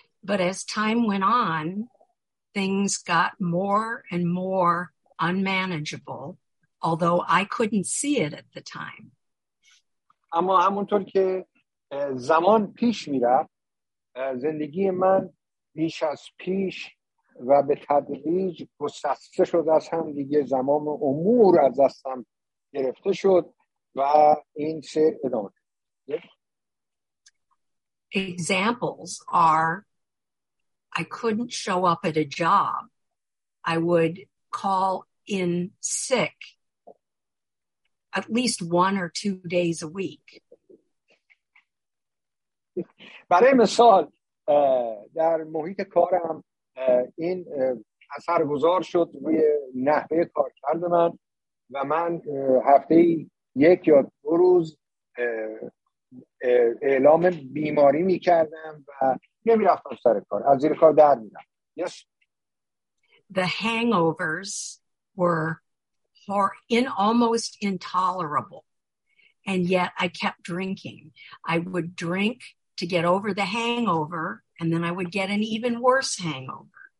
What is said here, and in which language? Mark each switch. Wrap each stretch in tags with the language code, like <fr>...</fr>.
<en>But as time went on, things got more and more unmanageable, although I couldn't see it at the time.</en> <fa>اما همونطور که زمان پیش میرفت، زندگی من بیش از پیش و به تدریج گسسته شد از هم دیگه، زمان امور از دستم گرفته شد و این سر ادامه شد.</fa> <en>Examples are, I couldn't show up at a job. I would call in sick at least one or two days a week.</en> <fa>برای مثال در محیط کارم این اثرگذار شد روی نحوه کارکرد من و من هفته یک یا دو روز اعلام بیماری می کردم و نمی رفتم سر کار، از زیر کار در می رفتم.</fa> <en>Yes. The hangovers were for in almost intolerable, and yet I kept drinking. I would drink to get over the hangover, and then I would get an even worse hangover.</en>